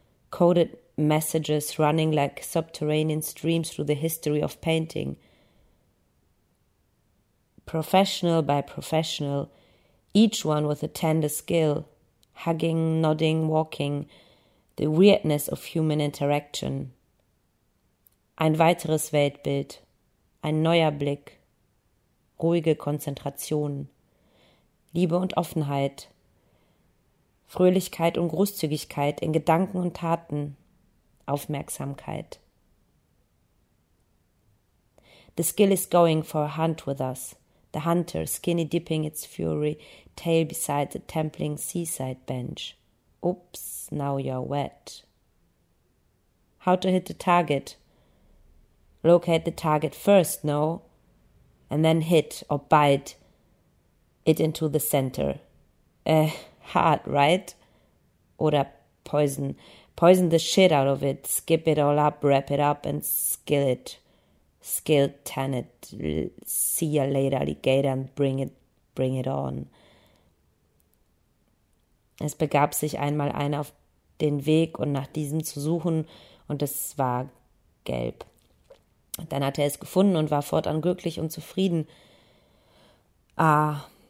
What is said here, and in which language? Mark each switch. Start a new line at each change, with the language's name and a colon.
English: Coded messages running like subterranean streams through the history of painting. Professional by professional, each one with a tender skill, hugging, nodding, walking, the weirdness of human interaction.
German: Ein weiteres Weltbild, ein neuer Blick, ruhige Konzentration, Liebe und Offenheit, Fröhlichkeit und Großzügigkeit in Gedanken und Taten, Aufmerksamkeit.
English: The skill is going for a hunt with us. The hunter, skinny dipping its fury, tail beside the templing seaside bench. Oops, now you're wet. How to hit the target? Locate the target first, no? And then hit or bite it into the center. Hard, right?
German: Oder
English: poison. Poison the shit out of it. Skip it all up, wrap it up and skill it. Skill, tan it. See ya later, alligator, and bring it on.
German: Es begab sich einmal einer auf den Weg und nach diesem zu suchen und es war gelb. Dann hatte er es gefunden und war fortan glücklich und zufrieden. Ah.